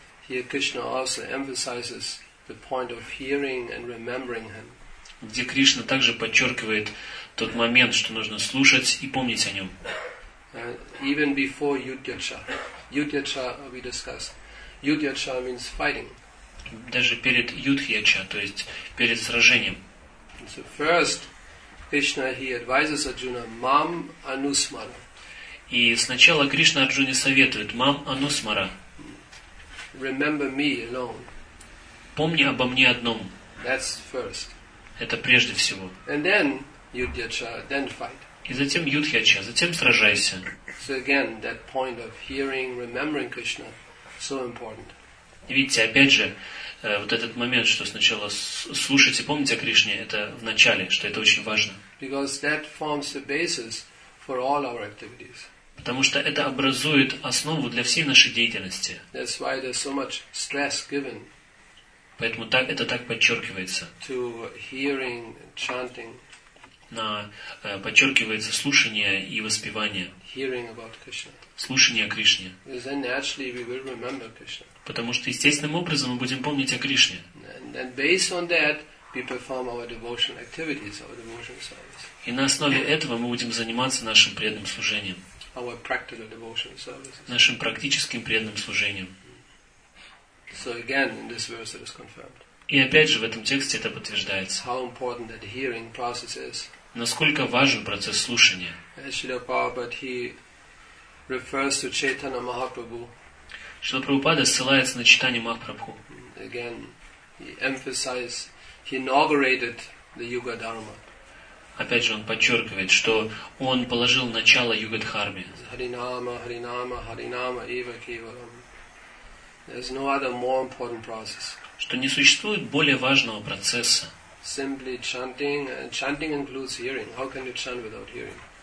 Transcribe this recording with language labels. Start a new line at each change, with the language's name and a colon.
English: Here Krishna also emphasizes the point of hearing and remembering him.
Russian: Где Кришна также подчеркивает тот момент, что нужно слушать и помнить о нем.
English: Even before Yudhyacha. Yudhyacha we discussed. Yudhyacha means fighting.
Russian: Даже перед Yudhyacha, то есть перед сражением.
English: So first, Krishna he advises Arjuna, mam anusmara.
Russian: И сначала Кришна Арджуне советует: «Мам анусмара».
English: Remember me alone.
Russian: Помни обо мне одном.
English: That's first.
Russian: Это прежде всего.
English: And then, Yudhyacha, then fight.
Russian: И затем Юдхьяча, затем сражайся.
English: So again, that point of hearing, remembering Krishna, so important.
Russian: Видите, опять же, вот этот момент, что сначала слушать и помнить о Кришне, это в начале, что это очень важно.
English: Because that forms the basis for all our activities.
Russian: Потому что это образует основу для всей нашей деятельности.
English: That's why there's so much stress given.
Russian: Поэтому так это так подчеркивается.
English: To hearing, chanting.
Russian: Подчеркивается слушание и воспевание.
English: Hearing about Krishna.
Russian: Слушание о Кришне.
English: Because then naturally we will remember Krishna.
Russian: Потому что естественным образом мы будем помнить о Кришне.
English: And then based on that we perform our devotional activities, our devotional service.
Russian: И на основе этого мы будем заниматься нашим преданным служением.
English: Our practical devotional service.
Russian: Нашим практическим преданным служением.
English: So again, in this verse it is confirmed.
Russian: И опять же, в этом тексте это подтверждается.
English: How important that hearing process is.
Russian: Насколько важен процесс слушания.
English: Srila Prabhupada, he refers to Chaitanya Mahaprabhu.
Russian: Srila Prabhupada ссылается на Чайтанью Махапрабху.
English: Again, he emphasized, he inaugurated the Yuga Dharma.
Russian: Опять же, он подчеркивает, что он положил начало Юга-дхарме.
Sanskrit: Харинама, Харинама, Харинама, Ива Кивалам.
English: There's no other more important process.
Russian: Что не существует более важного процесса.
English: Simply chanting, and chanting includes hearing. How can you chant without hearing?